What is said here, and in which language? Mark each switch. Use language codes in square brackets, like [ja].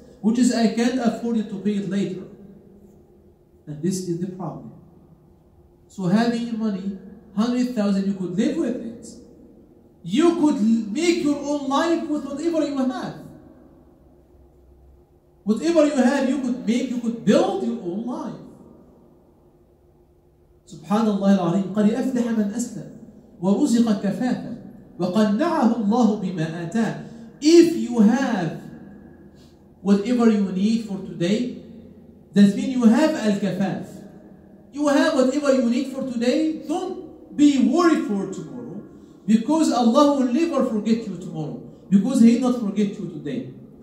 [en] Which is I can't afford it to pay it later. And this is the problem. So having money, 100,000, you could live with it. You could make your own life with whatever you have. Whatever you have, you could make, you could build your own life. [ar] سبحان الله العظيم قد أفلح من أسلم ورزق كفافا وقنعه الله بما آتاه. [en] If you have whatever you need for today, that means you have al-kafaf. You have whatever you need for today, don't be worried for tomorrow, because Allah will never forget you tomorrow, because He did not forget you today.